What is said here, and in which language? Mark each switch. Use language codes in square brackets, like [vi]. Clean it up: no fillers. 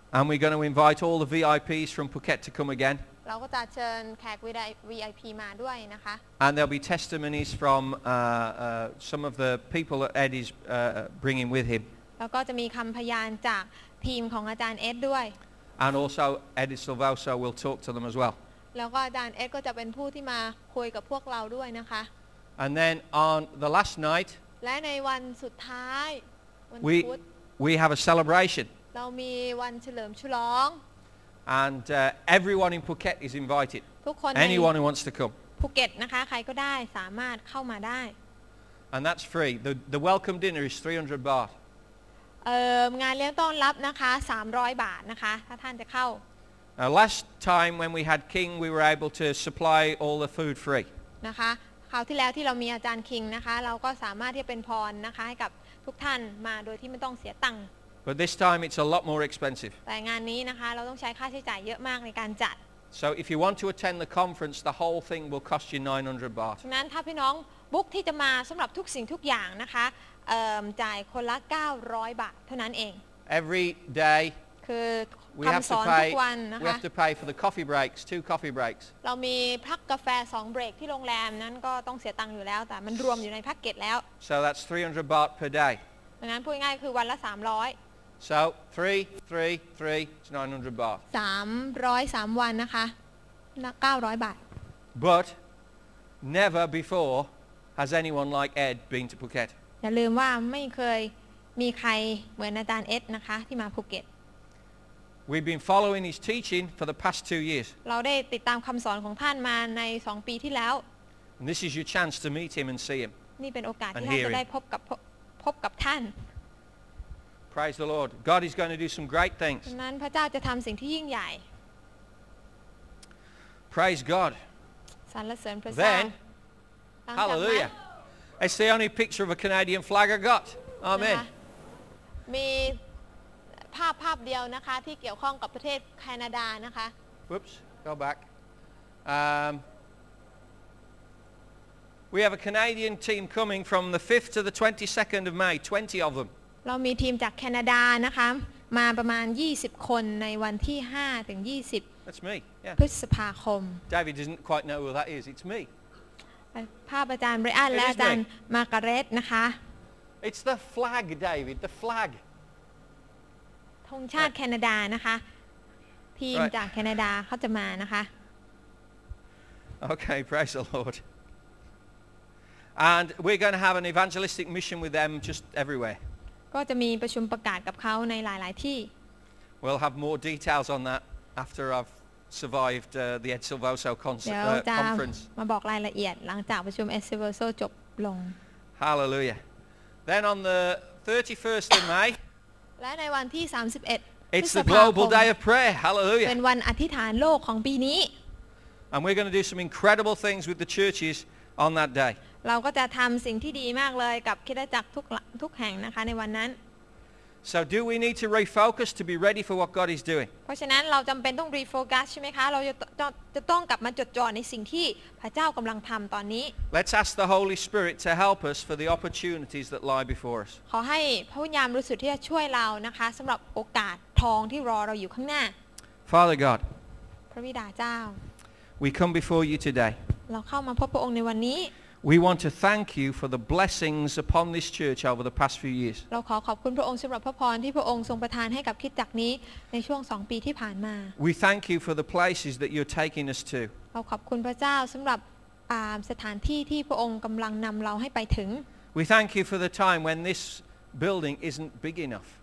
[en] And we're going to invite all the VIPs from Phuket to come again. [th] เราก็จะเชิญแขก VIP มาด้วยนะคะ [en] And there'll be testimonies from some of the people that Ed is bringing with him. [th] แล้วก็จะมีคำพยานจากทีมของอาจารย์เอ็ดด้วย [en] And also Ed Silvoso will talk to them as well. [th] แล้วก็อาจารย์เอ็ดก็จะเป็นผู้ที่มาคุยกับพวกเราด้วยนะคะ [en] And then on the last night [th] และในวันสุดท้ายวันพุธ [en] we have a celebration [th] เรามีวันเฉลิมฉลอง [en] And everyone in Phuket is invited [th] ทุกคน [en] anyone who wants to come [th] ภูเก็ตนะคะใครก็ได้สามารถเข้ามาได้ [en] And that's free the welcome dinner is 300 baht [th] งานเลี้ยงต้อนรับนะคะ300บาทนะคะถ้าท่านจะเข้า [en] Last time when we had King, we were able to supply all the food free. [th] นะคะคราวที่แล้วที่เรามีอาจารย์คิงนะคะเราก็สามารถที่จะเป็นพรนะคะให้กับทุกท่านมาโดยที่ไม่ต้องเสียตังค์ [en] But this time it's a lot more expensive. [th] แต่งานนี้นะคะเราต้องใช้ค่าใช้จ่ายเยอะมากในการจัด [en] So if you want to attend the conference, the whole thing will cost you 900 baht. [th] ฉะนั้นถ้าพี่น้องบุ๊กที่จะมาสำหรับทุกสิ่งทุกอย่างนะคะจ่ายคนละ900บาทเท่านั้นเอง [en] Every day [th] คือคำสอนทุกวันนะคะ [en] We have to pay for the coffee breaks, two coffee breaks. [th] เรามีพักกาแฟ2เบรกที่โรงแรมนั้นก็ต้องเสียตังค์อยู่แล้วแต่มันรวมอยู่ในแพ็คเกจแล้ว [en] So that's 300 baht per day. [th] ฉะนั้นพูดง่ายๆคือวันละ300 [en] So 3 to 900 baht. [th] 300 3วันนะคะ900บาท [en] But never before has anyone like Ed been to Phuket. [th] อย่าลืมว่าไม่เคยมีใครเหมือนอาจารย์เอ็ดนะคะที่มาภูเก็ต [en] We've been following his teaching for the past 2 years. [th] เราได้ติดตามคำสอนของท่านมาใน2ปีที่แล้ว [en] And this is your chance to meet him and see him. [th] นี่เป็นโอกาสที่เราจะได้พบกับท่าน [en] Praise the Lord. God is going to do some great things. [th] นั้นพระเจ้าจะทำสิ่งที่ยิ่งใหญ่ [en] Praise God. [th] สรรเสริญพระเจ้า [en] Then, Hallelujah. It's the only picture of a Canadian flag I got. Amen. [th] มีภาพเดียวนะคะที่เกี่ยวข้องกับประเทศแคนาดานะคะ [en] Whoops. Go back. We have a Canadian team coming from the 5th to the 22nd of May. 20 of them. [th] เรามีทีมจากแคนาดานะคะมาประมาณ20คนในวันที่5ถึง20 [en] That's me. Yeah. [th] พฤษภาคม [en] David doesn't quite know who that is. It's me. [th] ภาพอาจารย์ไบรอันและอาจารย์มาการ์เร็ตนะคะ [en] It's the flag, David. The flag. [th] ธงชาติแคนาดานะคะทีมจากแคนาดาเขาจะมานะคะ [en] Okay, praise the Lord. And we're going to have an evangelistic mission with them just everywhere. [th] ก็จะมีประชุมประกาศกับเขาในหลายๆที่ [en] We'll have more details on that after I've survived the Ed Silvoso conference. [th] มาบอกรายละเอียดหลังจากประชุม Ed Silvoso จบลง [en] Hallelujah. Then on the 31st of May. [th] และในวันที่31 [en] It's the Global Day of Prayer. Hallelujah. [th] เป็นวันอธิษฐานโลกของปีนี้ [en] And we're going to do some incredible things with the churches on that day. [th] เราก็จะทำสิ่งที่ดีมากเลยกับคริสตจักรทุกแห่งนะคะในวันนั้น [en] So do we need to refocus to be ready for what God is doing? [th] เพราะฉะนั้นเราจำเป็นต้องรีโฟกัสใช่ไหมคะเราจะต้องกลับมาจดจ่อในสิ่งที่พระเจ้ากำลังทำตอนนี้ [en] Let's ask the Holy Spirit to help us for the opportunities that lie before us. [th] ขอให้พระวิญญาณบริสุทธิ์ที่จะช่วยเรานะคะสำหรับโอกาสทองที่รอเราอยู่ข้างหน้า [en] Father God. [th] พระบิดาเจ้า [en] We come before you today. [th] เราเข้ามาพบพระองค์ในวันนี้ [en] We want to thank you for the blessings upon this church over the past few years. [th] เราขอขอบคุณพระองค์สำหรับพระพรที่พระองค์ทรงประทานให้กับคริสตจักรนี้ในช่วง2ปีที่ผ่านมา [en] We thank you for the places that you're taking us to. [th] เราขอบคุณพระเจ้าสำหรับสถานที่ที่พระองค์กำลังนำเราให้ไปถึง [en] We thank you for the time when this building isn't big enough.